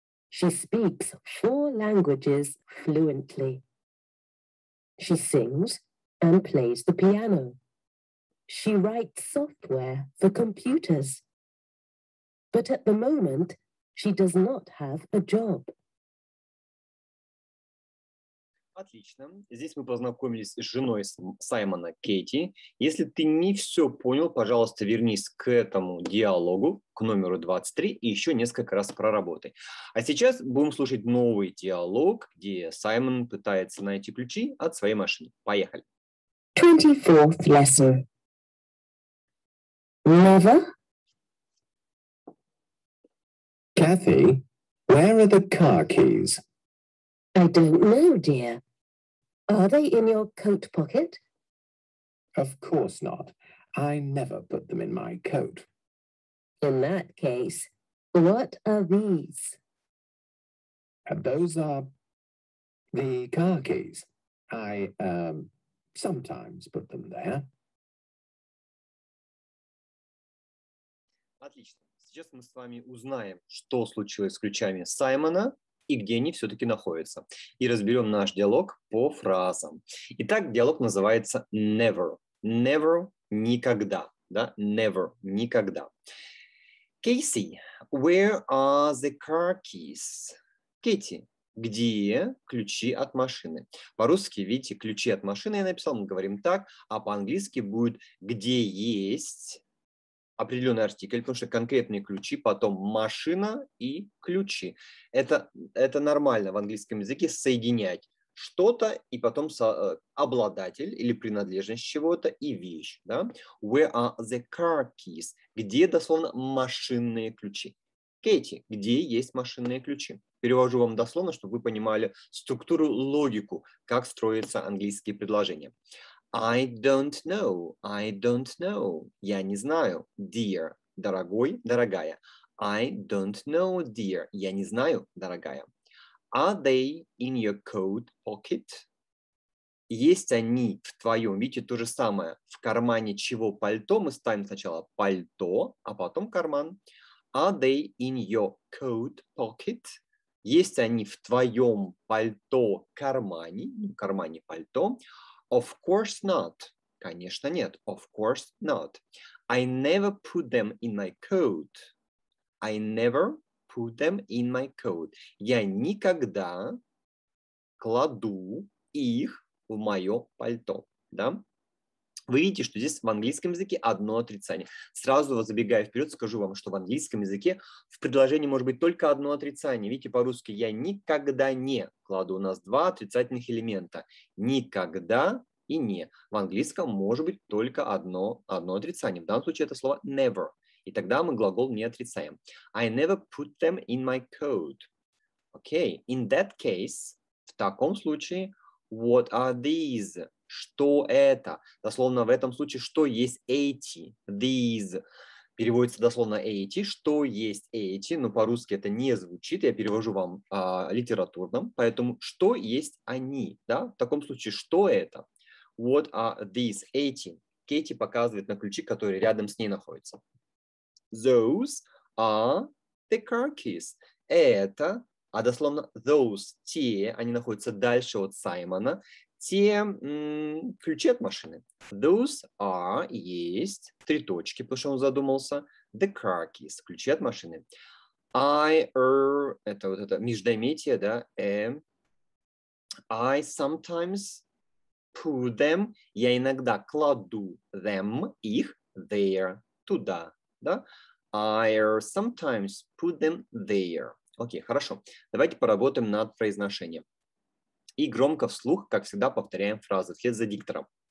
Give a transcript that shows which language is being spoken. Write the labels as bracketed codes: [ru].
[en] She speaks 4 languages fluently. She sings and plays the piano. She writes software for computers. But at the moment, she does not have a job. [ru] Отлично. Здесь мы познакомились с женой Саймона, Кэти. Если ты не все понял, пожалуйста, вернись к этому диалогу, к номеру 23, и еще несколько раз проработай. А сейчас будем слушать новый диалог, где Саймон пытается найти ключи от своей машины. Поехали. [en] 24th lesson. Never. Kathy, where are the car keys? I don't know, dear. Are they in your coat pocket? Of course not. I never put them in my coat. In that case, what are these? Those are the car keys. I sometimes put them there. [ru] Отлично. Сейчас мы с вами узнаем, что случилось с ключами Саймона и где они все-таки находятся. И разберем наш диалог по фразам. Итак, диалог называется never. Never – никогда. Да? Never – никогда. [en] Кейси, where are the car keys? [ru] Кэти, где ключи от машины? По-русски, видите, ключи от машины я написал, мы говорим так, а по-английски будет где есть определенный артикль, потому что конкретные ключи, потом машина и ключи. Это нормально в английском языке соединять что-то и потом обладатель или принадлежность чего-то и вещь. Да? Where are the car keys? Где дословно машинные ключи? Кэти, где есть машинные ключи? Перевожу вам дословно, чтобы вы понимали структуру, логику, как строятся английские предложения. [en] I don't know. I don't know. [ru] Я не знаю. [en] Dear. [ru] Дорогой, дорогая. [en] I don't know, dear. [ru] Я не знаю, дорогая. [en] Are they in your coat pocket? [ru] Есть они в твоем. Видите, то же самое. В кармане чего пальто? Мы ставим сначала пальто, а потом карман. [en] Are they in your coat pocket? [ru] Есть они в твоем пальто кармане? В кармане пальто. [en] Of course not. [ru] Конечно, нет. [en] Of course not. I never put them in my coat. I never put them in my coat. [ru] Я никогда кладу их в мое пальто. Да? Вы видите, что здесь в английском языке одно отрицание. Сразу забегая вперед, скажу вам, что в английском языке в предложении может быть только одно отрицание. Видите, по-русски я никогда не кладу. У нас 2 отрицательных элемента. Никогда и не. В английском может быть только одно отрицание. В данном случае это слово never. И тогда мы глагол не отрицаем. [en] I never put them in my coat. Okay. In that case, [ru] в таком случае, [en] what are these? [ru] Что это? Дословно в этом случае, что есть эти? These. Переводится дословно эти. Что есть эти? Но по-русски это не звучит. Я перевожу вам литературным. Поэтому что есть они? Да? В таком случае, что это? [en] What are these? [ru] Эти. Кэти показывает на ключи, которые рядом с ней находятся. [en] Those are the car keys. [ru] Это, а дословно those, те, они находятся дальше от Саймона, те ключи от машины. [en] Those are, [ru] есть, три точки, потому что он задумался, [en] the car keys, [ru] ключи от машины. I, это вот это междометие, да, [en] I sometimes put them, [ru] я иногда кладу them, их, there, туда, да. [en] I sometimes put them there. [ru] Окей, хорошо. Давайте поработаем над произношением. И громко вслух, как всегда, повторяем фразы вслед за диктором.